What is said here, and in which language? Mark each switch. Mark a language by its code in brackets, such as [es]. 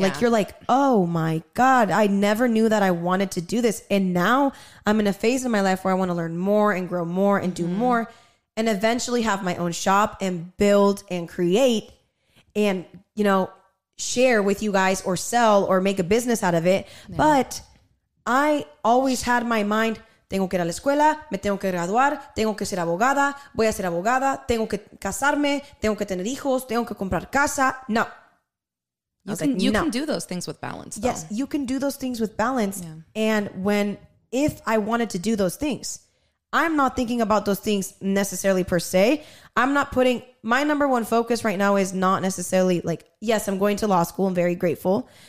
[en] Yeah. Like you're like, oh my God, I never knew that I wanted to do this. And now I'm in a phase in my life where I want to learn more and grow more and do more and eventually have my own shop and build and create and, you know, share with you guys or sell or make a business out of it. Yeah. But I always had my mind, [es] tengo que ir a la escuela, me tengo que graduar, tengo que ser abogada, voy a ser abogada, tengo que casarme, tengo que tener hijos, tengo que comprar casa. [en] No. You can do those things with balance, though. Yes, you can do those things with balance. Yeah. And when, if I wanted to do those things, I'm not thinking about those things necessarily per se. I'm not putting, my number one focus right now is not necessarily like, yes, I'm going to law school. I'm very grateful.